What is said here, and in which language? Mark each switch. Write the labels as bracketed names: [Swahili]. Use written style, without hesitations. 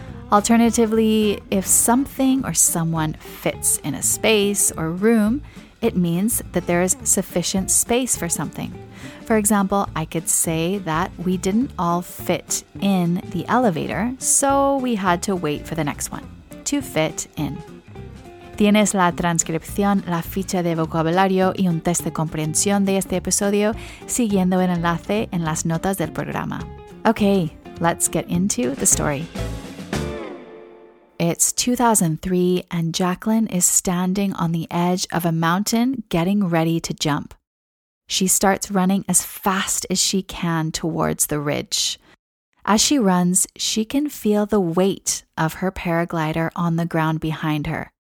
[English] Alternatively, if something or someone fits in a space or room, it means that there is sufficient space for something. For example, I could say that we didn't all fit in the elevator, so we had to wait for the next one. To fit in. [Spanish] Tienes la transcripción, la ficha de vocabulario y un test de comprensión de este episodio siguiendo el enlace en las notas del programa. [English] Okay, let's get into the story. It's 2003 and Jacqueline is standing on the edge of a mountain getting ready to jump. She starts running as fast as she can towards the ridge. As she runs, she can feel the weight of her paraglider on the ground behind her.